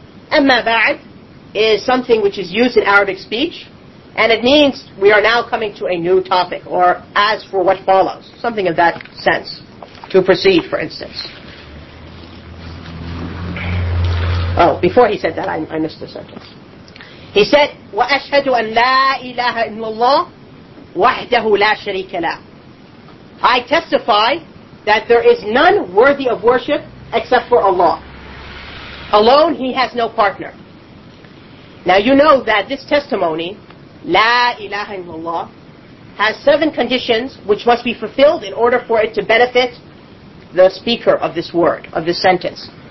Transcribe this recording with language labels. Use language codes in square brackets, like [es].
[en] أَمَّا بَعَدْ is something which is used in Arabic speech, and it means we are now coming to a new topic, or as for what follows, something of that sense, to proceed, for instance. Oh, before he said that, I missed the sentence. He said, [ar] وَأَشْهَدُ أَنْ لَا إِلَهَ إِلَّا اللَّهِ وَحْدَهُ لَا شَرِيكَ لَهُ. [en] I testify that there is none worthy of worship except for Allah. Alone, He has no partner. Now you know that this testimony لا إله إلا الله has seven conditions which must be fulfilled in order for it to benefit the speaker of this word, of this sentence.